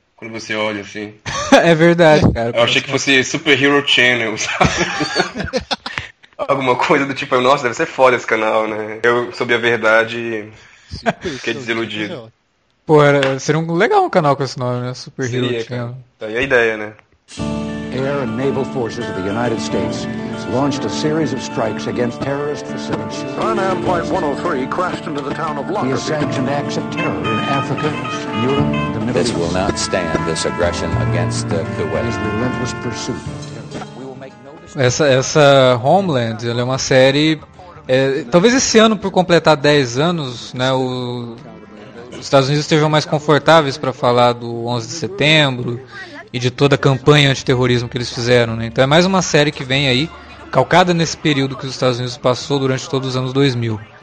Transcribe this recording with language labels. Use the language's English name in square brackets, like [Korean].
[Portuguese] Quando você olha assim. É verdade, cara. Eu achei que fosse Super Hero Channel, sabe? Alguma coisa do tipo, nossa, deve ser foda esse canal, né? Eu soube a verdade e fiquei desiludido. Pô, seria um legal um canal com esse nome, né? [English] Super [Portuguese] seria, [English] Hero Channel. [Portuguese] Tá aí a ideia, né? [English] Air and naval forces of the United States launched a series of strikes against terrorist facilities. Sun-Am Flight 103 crashed into the town of Lockerbie. He has sanctioned acts of terror in Africa, Europe, the Middle East. This will not stand this aggression against Kuwait. His relentless pursuit. [Portuguese] Essa Homeland, ela é uma série. Talvez esse ano, por completar 10 anos, né? Os Estados Unidos estejam mais confortáveis para falar do 11 de setembro. E de toda a campanha antiterrorismo que eles fizeram, né? Então é mais uma série que vem aí, calcada nesse período que os Estados Unidos passou durante todos os anos 2000.